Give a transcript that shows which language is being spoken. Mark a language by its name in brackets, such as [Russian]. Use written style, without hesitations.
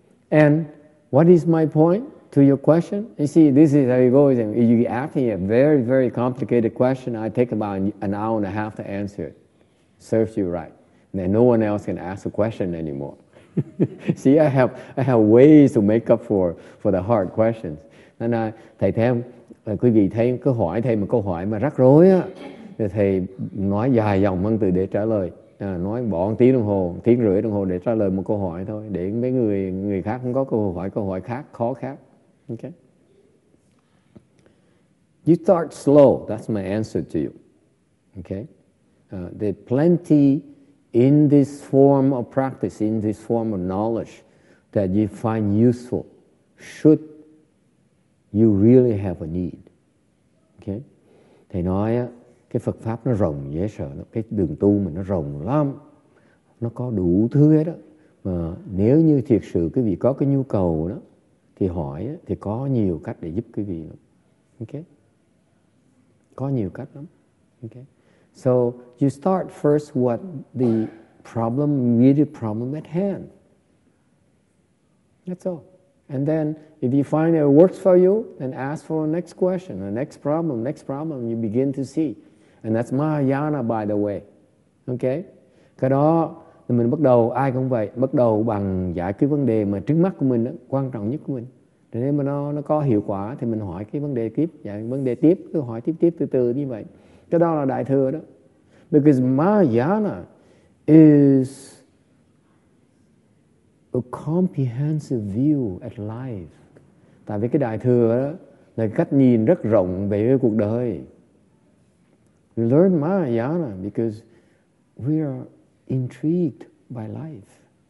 [English] And what is my point to your question? You see, this is how it goes. You ask me a very, very complicated question. I take about an hour and a half to answer it. Serves you right. And then no one else can ask a question anymore. See, I have ways to make up for the hard questions. [Vietnamese] And thầy thêm, quý vị thấy cứ hỏi thầy một câu hỏi mà rắc rối á, thì thầy nói dài dòng văn từ để trả lời, nói bỏ tiếng rưỡi đồng hồ để trả lời một câu hỏi thôi, để mấy người khác không có câu hỏi khác khó khác. [English] Okay. You start slow. That's my answer to you. Okay. There's plenty in this form of practice, in this form of knowledge that you find useful, should you really have a need. Okay? [Vietnamese] Thầy nói, cái Phật Pháp nó rộng dễ sợ, cái đường tu mình nó rộng lắm, nó có đủ thứ hết đó. Mà nếu như thiệt sự quý vị có cái nhu cầu đó, thì hỏi, thì có nhiều cách để giúp quý vị lắm. Okay? Có nhiều cách lắm. Okay? [English] So you start first what the problem, immediate problem at hand. That's all. And then if you find it works for you, then ask for the next question, the next problem, you begin to see. And that's Mahayana, by the way. Okay? [Vietnamese] Cái đó, mình bắt đầu, ai cũng vậy, bắt đầu bằng giải quyết vấn đề mà trước mắt của mình, đó, quan trọng nhất của mình. Thế nên mà nó có hiệu quả, thì mình hỏi cái vấn đề tiếp, giải vấn đề tiếp, cứ hỏi tiếp từ từ như vậy. Cái đó là đại thừa đó. [English] Because Mahayana is a comprehensive view at life. [Vietnamese] Tại vì cái đại thừa đó là cách nhìn rất rộng về cái cuộc đời. [English] We learn Mahayana because we are intrigued by life.